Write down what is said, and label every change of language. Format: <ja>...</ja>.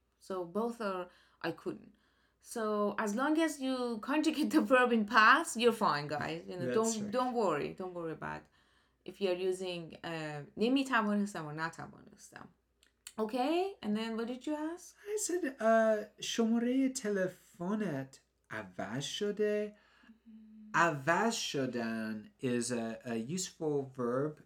<en>So both are I couldn't. So as long as you conjugate the verb in past, you're fine, guys. You know, don't worry. Don't worry about if you're using نمی‌توانستم or نتوانستم. Okay, and then what did you ask? I said,</en> <fa>شماره تلفنت عوض شده.</fa> <en>عوض شدن is a useful verb.</en>